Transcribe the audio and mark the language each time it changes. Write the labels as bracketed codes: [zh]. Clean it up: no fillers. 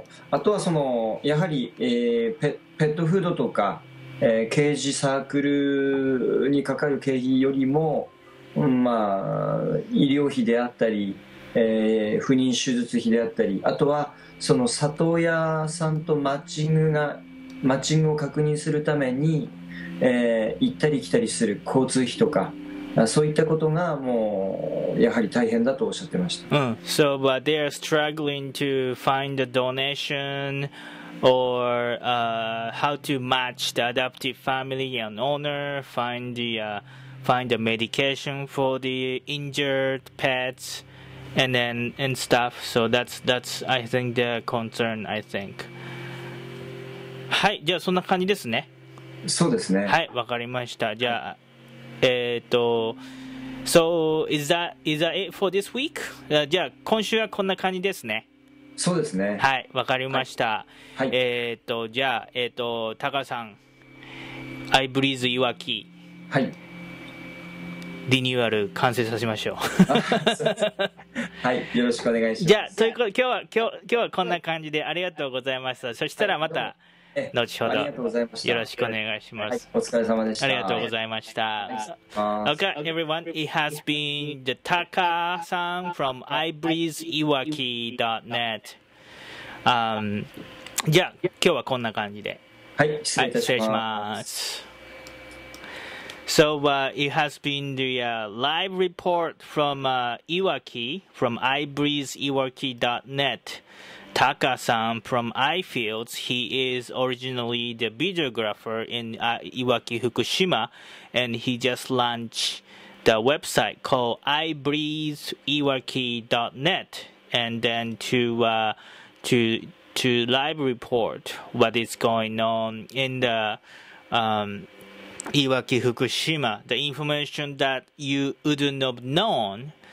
[ja] あとはそのやはり、ペットフードとか、ケージサークルにかかる経費よりも、まあ医療費であったり、不妊手術費であったり、あとはその里親さんとマッチングを確認するために、行ったり来たりする交通費とか、そういったことがもうやはり大変だとおっしゃってました。 [en] So, but they are struggling to find a donation or how to match the adoptive family and owner, find the medication for the injured pets. And stuff. So that's I think the concern, I think. [ja] はい、じゃあそんな感じですね。そうですね。はい、わかりました。 [en] じゃあ、So is that it for this week? [ja] じゃあ今週はこんな感じですね。そうですね。はい、わかりました。はい。じゃあ、タカさん、I breathe Iwaki。はい。リニューアル完成させましょう。はい、よろしくお願いします。じゃあ、ということで今日はこんな感じでありがとうございました。そしたらまた後ほど、よろしくお願いします、はい。お疲れ様でした。ありがとうございました。 [en] Okay, everyone, it has been the Taka san from ibreezeiwaki.net. [ja] じゃあ、今日はこんな感じで。はい、失礼いたします。はい、失礼します。 [en] So it has been the live report from Iwaki from ibreezeiwaki.net. Taka-san from iFields, he is originally the videographer in Iwaki, Fukushima, and he just launched the website called ibreezeiwaki.net, and then to live report what is going on in the Iwaki, Fukushima, the information that you wouldn't have known